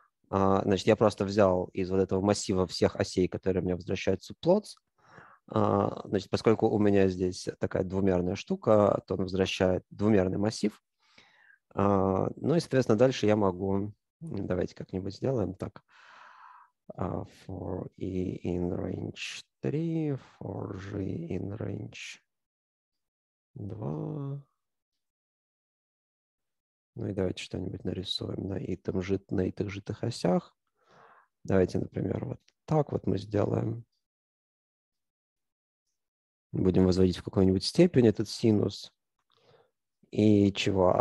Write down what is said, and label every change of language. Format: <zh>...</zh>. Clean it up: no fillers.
<ru>Значит, я просто взял из вот этого массива всех осей, которые мне возвращают subplots. Значит, поскольку у меня здесь такая двумерная штука, то он возвращает двумерный массив. Ну и, соответственно, дальше я могу... Давайте как-нибудь сделаем так.</ru> <en>For i in range 3, for j in range 2.</en> <ru>Ну и давайте что-нибудь нарисуем на этих житых осях. Давайте, например, вот так вот мы сделаем. Будем возводить в какую-нибудь степень этот синус. И чего?</ru>